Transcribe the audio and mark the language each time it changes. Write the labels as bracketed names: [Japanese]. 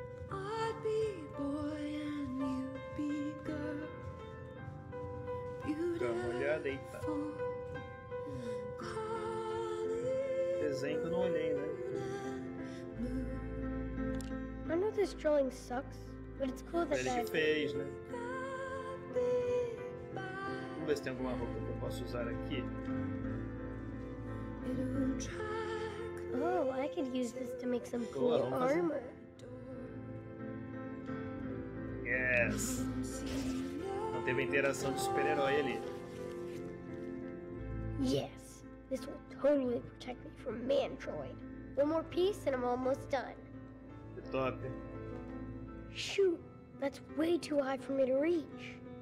[English] I'd be boy and you'd be girl. Beautiful. [Portuguese] Desenho eu não olhei, né? [English] I know this drawing sucks, but it's cool that [Portuguese] ele fez, né? Vamos ver se tem alguma roupa que eu posso usar aqui. [English] Oh, I could use this to make some cool armor. [Portuguese] Fazer. [English] Yes! [Portuguese] Não teve interação de super-herói ali. [English] Yes! This will totally protect me from Mantroid. One more piece and I'm almost done. [Portuguese] Que top! [English] Shoot! That's way too high for me to reach.